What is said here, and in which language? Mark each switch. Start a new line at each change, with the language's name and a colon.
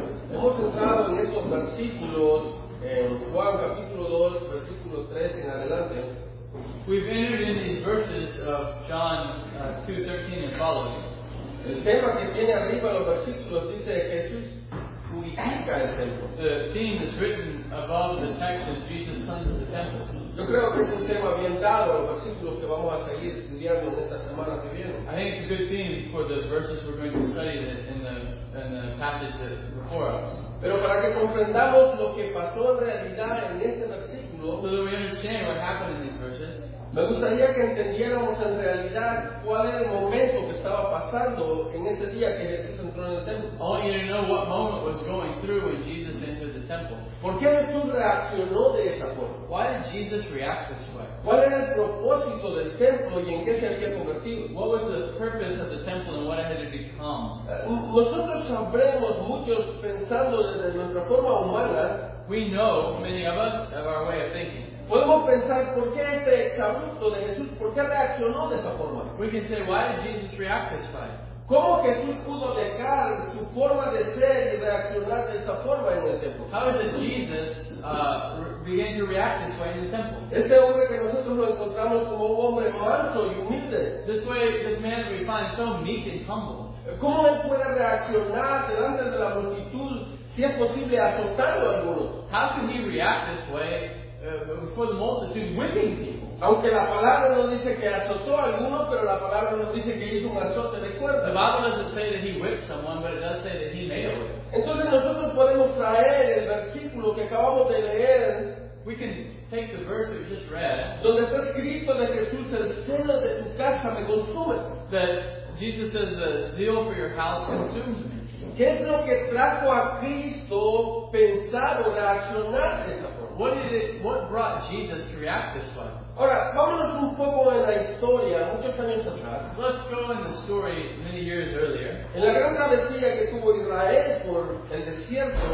Spanish: Hemos entrado en estos versículos en Juan capítulo 2, versículo 3 en adelante.
English: We've entered in these verses of John 2, 13 and following.
Spanish: El tema que tiene arriba los versículos dice que Jesús purifica el templo.
English: The theme is written above the text as Jesus cleanses the temple.
Spanish: Yo creo que es un tema bien dado a los versículos que vamos a seguir estudiando en esta semana que viene.
English: I think it's a good theme for the verses we're going to study in the passage that before us.
Spanish: Pero para que comprendamos lo que pasó en realidad en este versículo,
English: so that we understand what happened in these verses,
Spanish: me gustaría que entendiéramos en realidad cuál era el momento que estaba pasando en ese día que Jesús entró en el templo.
English: I want you to know what moment was going through when Jesus entered the temple.
Spanish: ¿Por qué Jesús reaccionó de esa forma?
English: Why did Jesus react this way?
Spanish: ¿Cuál era el propósito del templo y en qué se había convertido?
English: What was the purpose of the temple and what had it become?
Spanish: Nosotros sabremos muchos pensando desde nuestra forma humana.
English: We know, many of us, of our way of thinking.
Spanish: Podemos pensar por qué este chamusco de Jesús, por qué reaccionó de esa forma.
English: We can say, why did Jesus react this way?
Spanish: ¿Cómo Jesús pudo dejar su forma de ser y reaccionar de esta forma en el templo?
English: How is it Jesus began to react this way in the temple?
Spanish: Este hombre que nosotros lo encontramos como un hombre manso y humilde.
English: This way, this man that we find so meek and humble.
Spanish: ¿Cómo él puede reaccionar delante de la multitud si es posible azotarlo a algunos?
English: How can he react this way before the multitude, whipping people?
Spanish: Aunque la palabra no dice que azotó a alguno, pero la palabra no dice que hizo un azote de cuerda.
English: The Bible doesn't say that he whipped someone, but it does say that he made a whip.
Spanish: Entonces nosotros podemos traer el versículo que acabamos de leer.
English: We can take the verse that we just read.
Spanish: Donde está escrito de Jesús, el celo de tu casa me consume.
English: That Jesus says the zeal for your house consumes me.
Spanish: ¿Qué es lo que trajo a Cristo pensar o reaccionar de esa forma?
English: What brought Jesus to react this way?
Spanish: Ahora, vámonos un poco en la historia, muchos años atrás.
English: Let's go in the story many years earlier.
Spanish: En la gran travesía que tuvo Israel por el desierto.